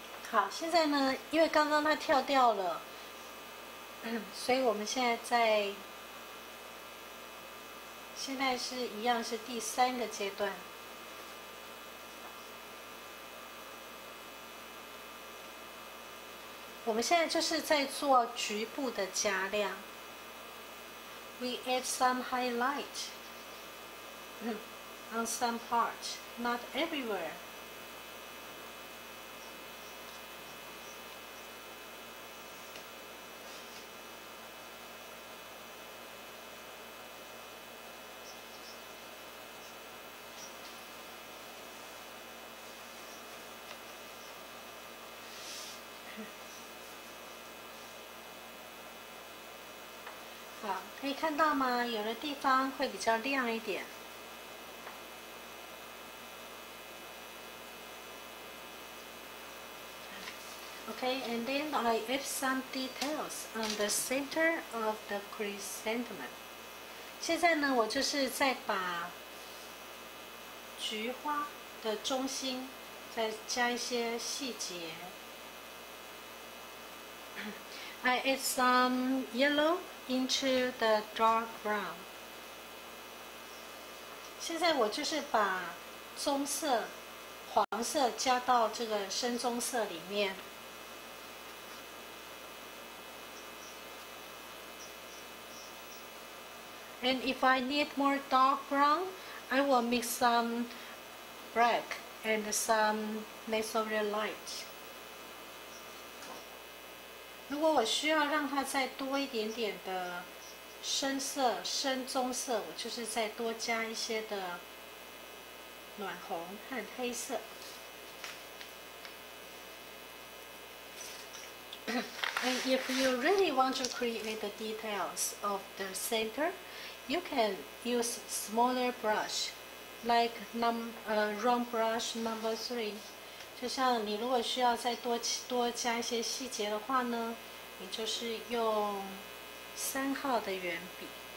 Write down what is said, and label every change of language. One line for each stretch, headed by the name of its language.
Chinese: 好，现在呢，因为刚刚他跳掉了，所以我们现在在，现在是一样是第三个阶段。我们现在就是在做局部的加亮。
English: We add some highlight on some part, not everywhere.
Chinese: 可以看到吗？有的地方会比较亮一点。
English: Okay, and then I add some details on the center of the chrysanthemum.
Chinese: 现在呢，我就是在把菊花的中心再加一些细节。
English: I add some yellow into the dark brown.
Chinese: 现在我就是把棕色、黄色加到这个深棕色里面。
English: And if I need more dark brown, I will mix some black and some mesorial light.
Chinese: 如果我需要让它再多一点点的深色、深棕色，我就是再多加一些的暖红和黑色。
English: And if you really want to create the details of the center, you can use smaller brush, like round brush number 3.
Chinese: 就像你如果需要再多加一些细节的话呢？你就是用三号的圆笔。